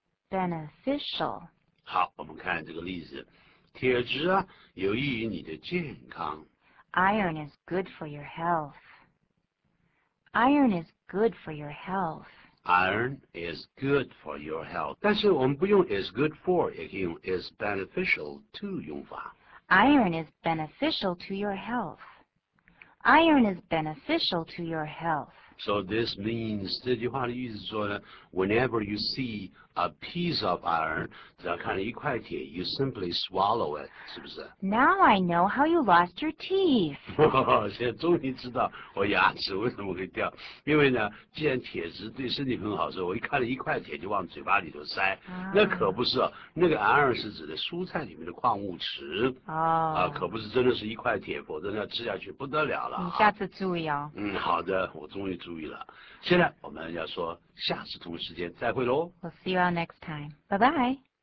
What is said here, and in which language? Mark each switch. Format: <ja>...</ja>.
<en>Beneficial.</en> <zh>好，我们看这个例子，铁质啊，有益于你的健康。</zh> <en>Iron is good for your health. Iron is good for your health. Iron is good for your health.</en> <zh>但是我们不用 is good for, 也可以用</zh> <en>is beneficial to</en> <zh>用法。</zh> <en>Iron is beneficial to your health. Iron is beneficial to your health. So this means,</en> <zh>这句话的意思是说呢,</zh> <en>whenever you see a piece of iron,</en> <zh>只要看到一块铁,</zh> <en>you simply swallow it,</en> <zh>是不是?</zh> <en>Now I know how you lost your teeth.</en> <zh>现在终于知道我牙齿为什么会掉。因为呢既然铁质对身体很好时候我一看到一块铁就往嘴巴里头塞。那可不是、那个 iron 是指的蔬菜里面的矿物质。可不是真的是一块铁，否则那吃下去不得了了。你下次注意哦。好的，我终于注意了。现在我们要说下次同时间再会咯。</zh> <en>We'll see you all next time. Bye bye.</en>